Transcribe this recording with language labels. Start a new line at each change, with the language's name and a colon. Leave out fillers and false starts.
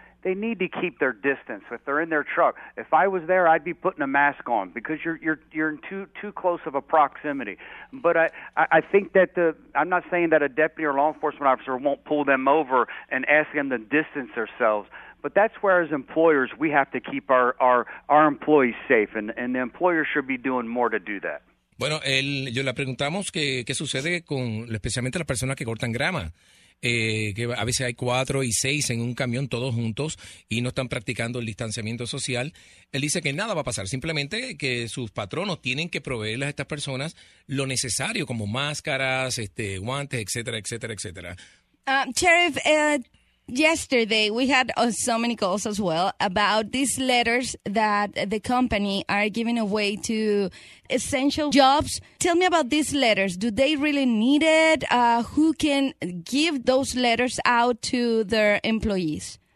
English: They need to keep their distance. If they're in their truck, if I was there, I'd be putting a mask on because you're in too close of a proximity. But I think that I'm not saying that a deputy or law enforcement officer won't pull them over and ask them to distance themselves. But that's where, as employers, we have to keep our employees safe, and the employer should be doing more to do that.
Spanish: Bueno, yo le preguntamos qué sucede con especialmente las personas que cortan grama. Que a veces hay cuatro y seis en un camión todos juntos y no están practicando el distanciamiento social. Él dice que nada va a pasar, simplemente que sus patronos tienen que proveerles a estas personas lo necesario, como máscaras, guantes, etcétera, etcétera, etcétera.
English: Sheriff, yesterday we had so many calls as well about these letters that the company are giving away to essential jobs. Tell me about these letters. Do they really need it? Who can give those letters out to their employees?